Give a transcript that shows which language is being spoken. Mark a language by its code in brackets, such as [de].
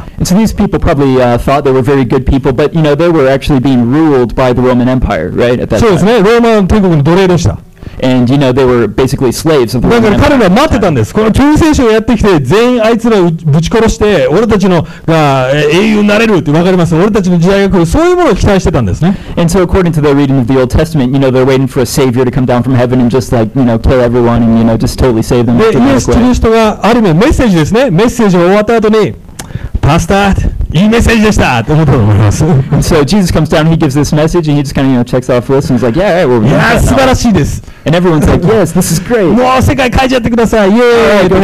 [en] And so these people probably thought they were very good people, but you know, they were actually being ruled by the Roman Empire, right, at that time. [ja] そうですね、ローマ帝国の奴隷でした。 [en] And you know, they were basically slaves of the Roman Empire. [ja] だから彼らは待ってたんです。この救世主がやってきて、全員あいつらをぶち殺して、俺たちの英雄になれるって分かります。俺たちの時代が来る、そういうものを期待してたんですね。 [en] And so according to their reading of the Old Testament, you know, they're waiting for a savior to come down from heaven and just like, you know, kill everyone and, you know, just totally save them. [ja] で、イエス・キリストがある意味メッセージですね。メッセージが終わった後に、 [en] So Jesus comes down, he gives this message, and he just kind of, you know, checks off the list, and he's like, yeah, right, we'll be done. And everyone's like, yes, this is great. [ja] もう世界変えちゃってください。イエーイ。